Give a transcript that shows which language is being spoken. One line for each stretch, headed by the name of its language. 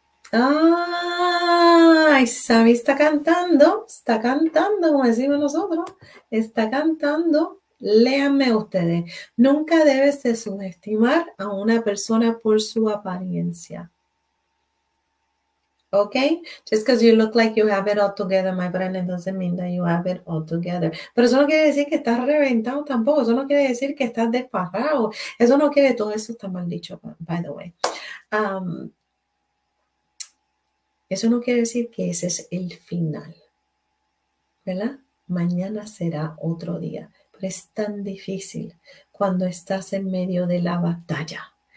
Spanish: Ay, Sammy está cantando, como decimos nosotros, está cantando. Léanme ustedes, nunca debes de subestimar a una persona por su apariencia. ¿Ok?
English: Just because you look like you have it all together, my friend, it doesn't mean that you have it all together.
Spanish: Pero eso no quiere decir que estás reventado tampoco. Eso no quiere decir que estás desparrado. Eso no quiere, todo eso está mal dicho,
English: by the way.
Spanish: Eso no quiere decir que ese es el final. ¿Verdad? Mañana será otro día. Pero es tan difícil cuando estás en medio de la batalla.